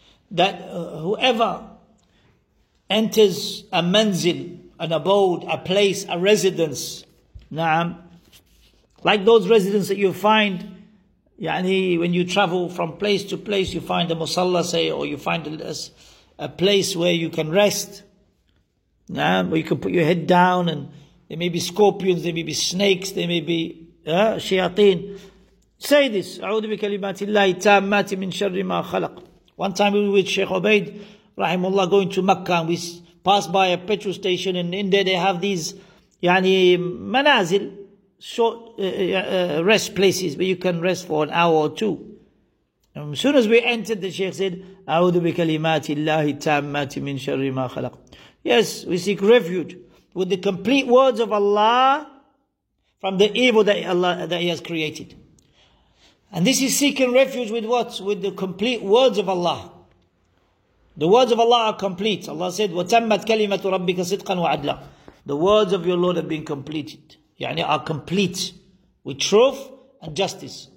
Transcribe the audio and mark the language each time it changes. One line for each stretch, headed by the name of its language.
English: That whoever enters a manzil, an abode, a place, a residence, na'am, like those residences that you find, يعني, when you travel from place to place, you find a musalla, say, or you find a place where you can rest, where you can put your head down, and there may be scorpions, there may be snakes, there may be shayateen. Say this,
Arabic: أعوذ بكلمات الله التامات من شر ما خلق.
English: One time we were with Sheikh Ubaid, rahimullah, going to Mecca, and we passed by a petrol station, and in there they have these, يعني, manazil, short rest places, where you can rest for an hour or two. As soon as we entered, the Shaykh said,
Arabic: أَعُوذُ بِكَلِمَاتِ اللَّهِ التَّامَّاتِ مِنْ شَرِّ مَا خَلَقَ.
English: Yes, we seek refuge with the complete words of Allah from the evil that Allah, that He has created. And this is seeking refuge with what? With the complete words of Allah. The words of Allah are complete. Allah said,
Arabic: وَتَمَّتْ كَلِمَةُ رَبِّكَ صِدْقًا وَعَدْلًا.
English: The words of your Lord have been completed. يعني are complete with truth and justice.